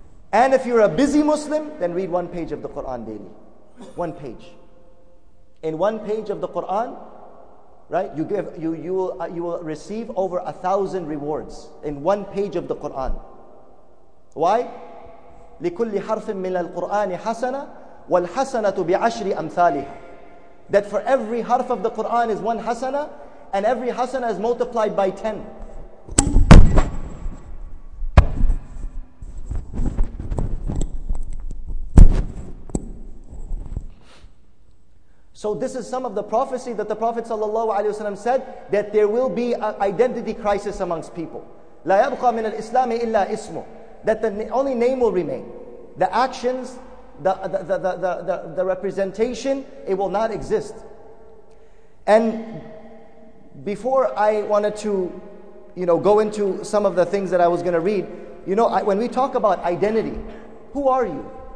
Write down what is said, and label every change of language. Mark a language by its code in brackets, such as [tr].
[en] And if you're a busy Muslim, then read 1 page of the Quran daily. 1 page. In 1 page of the Quran, right, you will receive over 1,000 rewards in 1 page of the Quran. Why? [ar] لكل حرف من القرآن حسنة والحسنة بعشر أمثالها. [en] That for every harf of the Quran is 1 hasana. And every hasana is multiplied by 10. So this is some of the prophecy that the Prophet ﷺ said, that there will be an identity crisis amongst people. [ar] لا يبقى من الإسلام إلا اسمه. [en] That the only name will remain. The actions, the representation, it will not exist. And before I wanted to, you know, go into some of the things that I was going to read, you know, when we talk about identity, who are you?